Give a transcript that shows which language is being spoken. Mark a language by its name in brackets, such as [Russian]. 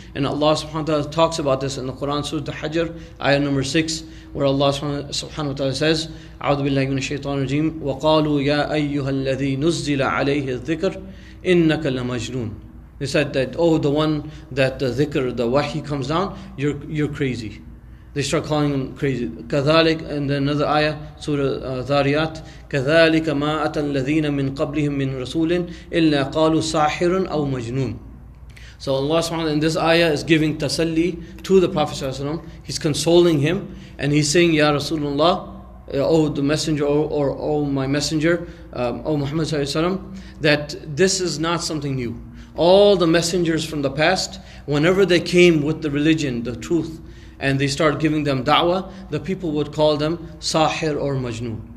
[English] And Allah subhanahu wa ta'ala talks about this in the Quran, Surah Al-Hajr, ayah number 6, where Allah subhanahu wa ta'ala says, A'udhu billahi minash shaitan rajeem, [Arabic] وَقَالُوا يَا أَيُّهَا الَّذِي نُزِّلَ عَلَيْهِ الذِّكْرِ إِنَّكَ لَمَجْنُونَ. [English] They said that, oh, the one that the dhikr, the wahi comes down, you're crazy. They start calling him crazy. [Arabic] كذلك, [English] and then another ayah, [Arabic] Surah Dhariyat, كَذَلِكَ مَا أَتَى الَّذِينَ مِنْ قَبْلِهِمْ مِنْ رَسُولٍ إِلَّا قَالُوا سَاحِرٌ أَوْ مَجْنُونَ. [English] So Allah subhanahu wa ta'ala in this ayah is giving tasalli to the Prophet ﷺ. He's consoling him and he's saying, Ya Rasulullah, O the Messenger, or O my Messenger, O Muhammad ﷺ, that this is not something new. All the messengers from the past, whenever they came with the religion, the truth, and they start giving them da'wah, the people would call them sahir or majnoon.